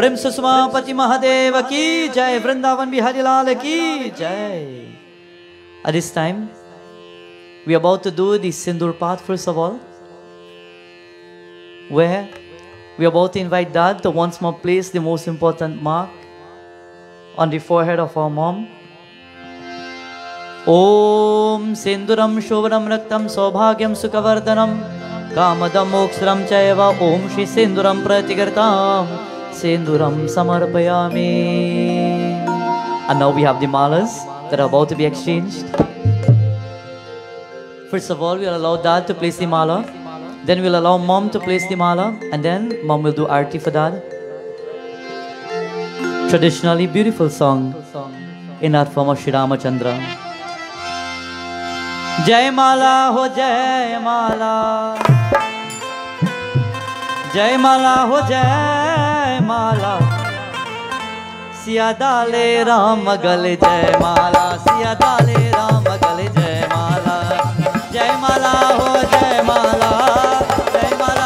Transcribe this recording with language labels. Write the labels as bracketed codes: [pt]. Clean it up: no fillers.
[hi] सुमापति महादेव की जय, वृंदावन बिहारी लाल की जय। [en] At this time, we are about to do the sindur path first of all, where we are about to invite Dad to once more place the most important mark on the forehead of our mom. [sa] Om sinduram shobhanam raktam saubhagyam sukavardhanam kamadam mokshram chaiva om shri sinduram pratigartam Sinduram samarpayami. [en] And now we have the malas that are about to be exchanged. First of all, we'll allow Dad to place the mala. Then we'll allow Mom to place the mala. And then Mom will do aarti for Dad. Traditionally beautiful song in our form of Shri Ramachandra. [hi] Jai mala ho jai mala, jai mala ho jai माला, सिया डाले राम गल जय माला, सिया डाले राम गल जय माला, जय माला हो जय माला।